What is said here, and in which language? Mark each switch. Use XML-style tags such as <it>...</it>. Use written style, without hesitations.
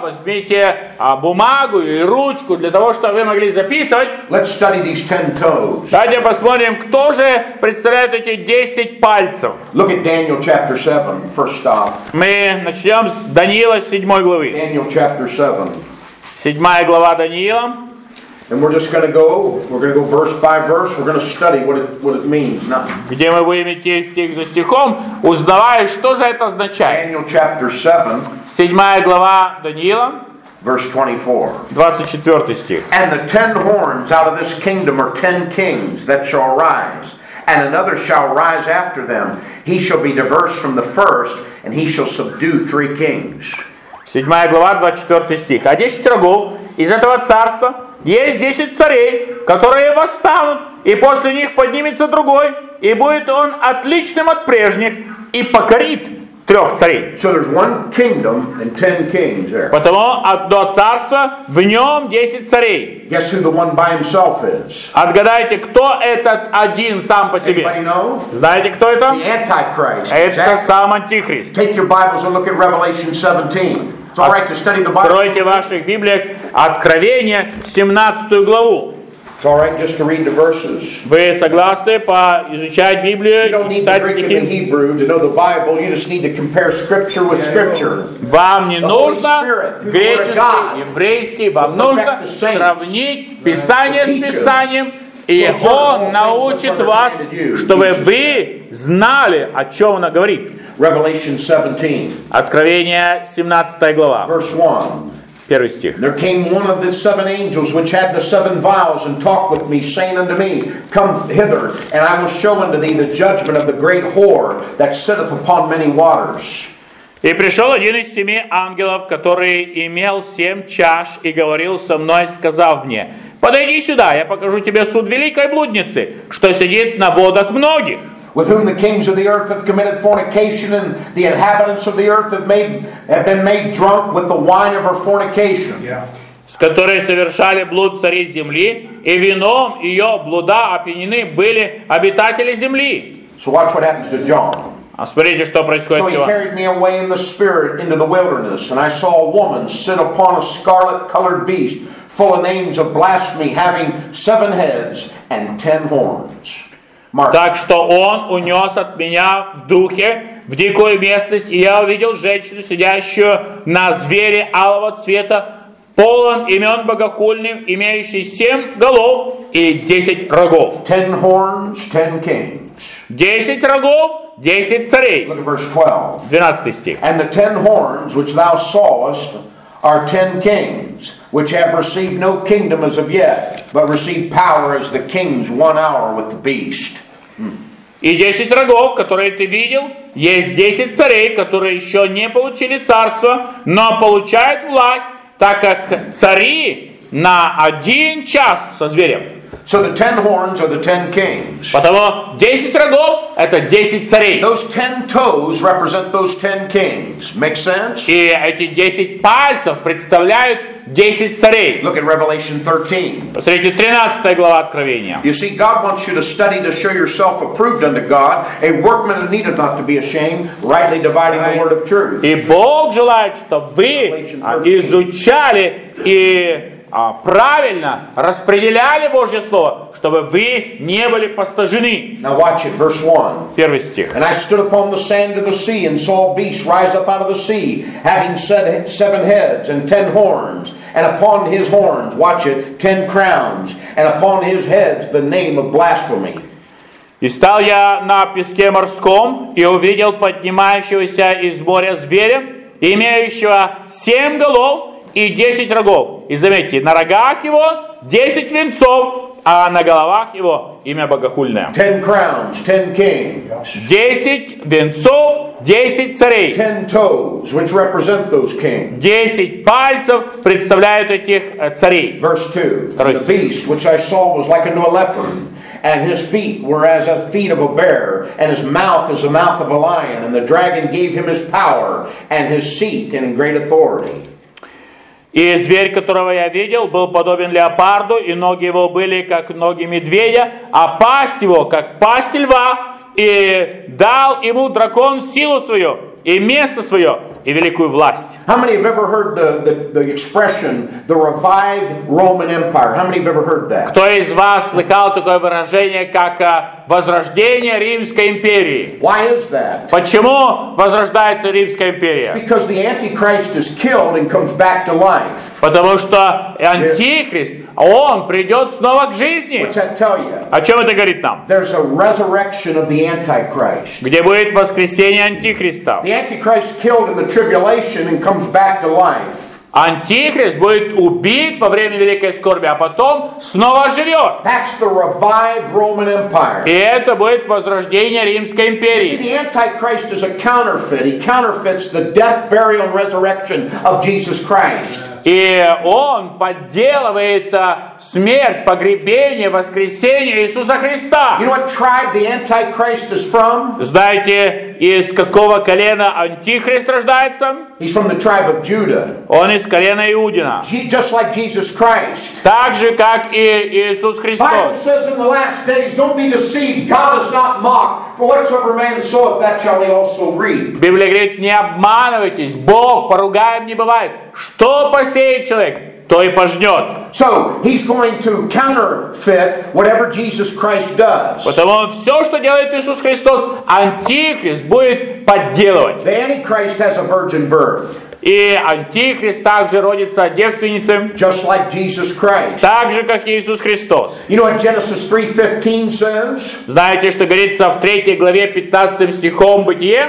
<ru>Возьмите бумагу и ручку для того, чтобы вы могли записывать.</ru> <en>Let's study these 10 toes.</en> <ru>Давайте посмотрим, кто же представляет эти 10 пальцев.</ru> <en>Look at Daniel chapter 7, first stop.</en> <ru>Мы начнем с Даниила 7 главы.</ru> <en>Daniel chapter 7.</en> <ru>7 глава Даниила.</ru> <en>And we're just going to go, verse by verse, we're going to study what it means. Now,</en> <ru>где мы будем идти стих за стихом, узнавая, что же это означает.</ru> <en>Daniel chapter 7.</en> <ru>7 глава Даниила.</ru> <en>Verse 24.</en> <ru>24 стих.</ru> <en>And the 10 horns out of this kingdom are 10 kings that shall rise, and another shall rise after them. He shall be diverse from the first, and he shall subdue 3 kings.</en> <ru>7 глава, 24 стих. А 10 рогов из этого царства есть 10 царей, которые восстанут, и после них поднимется другой, и будет он отличным от прежних, и покорит 3 царей.</ru> <en>So there's one kingdom and 10 kings there.</en> <ru>Потому одно царство, в нем 10 царей.</ru> <en>Guess who the one by himself is?</en> <ru>Отгадайте, кто этот один сам по себе?</ru> <en>Anybody know?</en> <ru>Знаете, кто это?</ru> <en>The Antichrist.</en> <ru>Это</ru> <en>exactly.</en> <ru>Сам Антихрист.</ru> <en>Take your Bibles and look at Revelation 17. It's all right to study the Bible.</en> <ru>Откройте в ваших Библиях Откровение 17 главу.</ru> <en>It's all right just to read the verses.</en> <ru>Вы согласны поизучать Библию и читать стихи?</ru> <en>You don't need the Greek and the Hebrew to know the Bible. You just need to compare Scripture with Scripture.</en> <ru>Вам не нужно греческий, еврейский. Вам нужно сравнить Писание с Писанием. И Он научит вас, чтобы вы знали, о чем Он говорит.</ru> <en>Revelation 17.</en> <ru>Откровение 17 глава.</ru> <en>Verse 1.</en> <ru>Первый стих.</ru> <en>There came one of the seven angels which had the seven vials and talked with me, saying unto me, Come hither, and I will show unto thee the judgment of the great whore that sitteth upon many waters.</en> <ru>И пришел один из семи ангелов, который имел семь чаш, и говорил со мной, сказав мне, Подойди сюда, я покажу тебе суд великой блудницы, что сидит на водах многих.</ru> <en>With whom the kings of the earth have committed fornication, and the inhabitants of the earth have been made drunk with the wine of her fornication.</en> <ru>С которой совершали блуд цари земли, и вином ее блуда опьянены были обитатели земли.</ru> <en>So watch what happens to John.</en> <ru>А смотрите, что происходит.</ru> <en>So he carried me away in the spirit into the wilderness, and I saw a woman sit upon a scarlet-colored beast, full of names of blasphemy, having seven heads and 10 horns. Mark.</en> <ru>Так что он унес от меня в духе в дикую местность, и я увидел женщину, сидящую на звере алого цвета, полон имен богохульных, имеющий 7 голов и 10 рогов.</ru> <en>10 horns, 10 kings.</en> <ru>10 рогов, 10 царей.</ru> <en>Look at verse 12.</en> <ru>12 стих.</ru> <en>And the 10 horns which thou sawest are 10 kings, which have received no kingdom as of yet, but received power as the kings 1 hour with the beast.</en> <ru>И 10 рогов, которые ты видел, есть 10 царей, которые еще не получили царство, но получают власть, так как цари на 1 час со зверем.</ru> <en>So the 10 horns are the 10 kings.</en> <ru>Потому 10 рогов — это 10 царей.</ru> <en>Those 10 toes represent those 10 kings. Make sense?</en> <ru>И эти 10 пальцев представляют 10 царей.</ru> <en>Look at Revelation 13.</en> <ru>Посмотрите, 13 глава Откровения.</ru> <en>You see, God wants you to study to show yourself approved unto God, a workman that needeth not to be ashamed, rightly dividing the word of truth.</en> <ru>И Бог желает, чтобы вы изучали и правильно распределяли Божье Слово, чтобы вы не были постыжены.</ru> <en>Now watch it, verse 1.</en> <ru>Первый стих.</ru> <en>And I stood upon the sand of the sea and saw a beast rise up out of the sea, having seven heads and 10 horns, and upon his horns, watch it, 10 crowns, and upon his heads the name of blasphemy.</en> <ru>И стал я на песке морском и увидел поднимающегося из моря зверя, имеющего 7 голов и 10 рогов. И заметьте, на рогах его 10 венцов, а на головах его имя богохульное.</ru> <en>10 crowns, 10 kings.</en> <ru>10 венцов, 10 царей.</ru> <en>10 toes, which represent those kings.</en> <ru>10 пальцев представляют этих царей.</ru> <en>Verse 2. The beast which I saw was like unto a leopard, and his feet were as the feet of a bear, and his mouth as the mouth of a lion, and the dragon gave him his power and his seat and great authority.</en> <ru>И зверь, которого я видел, был подобен леопарду, и ноги его были, как ноги медведя, а пасть его, как пасть льва, и дал ему дракон силу свою, и место свое, и великую власть.</ru> <en>How many have ever heard the expression, the revived Roman Empire? How many have ever heard that?</en> <ru>Кто из вас слыхал такое выражение, как возрождение Римской империи?</ru> <en>Why is that?</en> <ru>Почему возрождается Римская империя?</ru> <en>It's because the Antichrist is killed and comes back to life.</en> <ru>Потому что Антихрист, он придет снова к жизни.</ru> <en>What's that tell you?</en> <ru>О чем это говорит нам?</ru> <en>There's a resurrection of the Antichrist.</en> <ru>Где будет воскресение Антихриста?</ru> <en>The Antichrist killed in the tribulation and comes back to life.</en> <ru>Антихрист будет убит во время великой скорби, а потом снова оживет.</ru> <en>That's the revived Roman Empire.</en> <ru>И это будет возрождение Римской империи.</ru> <en>You see, the Antichrist is a counterfeit. He counterfeits the death, burial, and resurrection of Jesus Christ.</en> <ru>И он подделывает смерть, погребение, воскресение Иисуса Христа.</ru> <en>You know what tribe the Antichrist is from?</en> <ru>Знаете, из какого колена Антихрист рождается?</ru> <en>He's from the tribe of Judah.</en> <ru>Он из колена Иудина.</ru> <en>Just like Jesus Christ.</en> <ru>Так же, как и Иисус Христос.</ru> <en>Bible says in the last days, don't be deceived. God is not mocked. For whatsoever man soweth, that shall he also reap.</en> <ru>Библия говорит, не обманывайтесь. Бог поругаем не бывает. Что посеет человек, то и пожнет.</ru> <en>So he's going to counterfeit whatever Jesus Christ does.</en> <ru>Потому все, что делает Иисус Христос, Антихрист будет подделывать.</ru> <en>The Antichrist has a virgin birth.</en> <ru>И Антихрист также родится девственницей.</ru> <en>Just like Jesus Christ.</en> <ru>Так же, как Иисус Христос.</ru> <en>You know what Genesis 3:15 says?</en> <ru>Знаете, что говорится в 3 главе 15 стихом Бытие?</ru>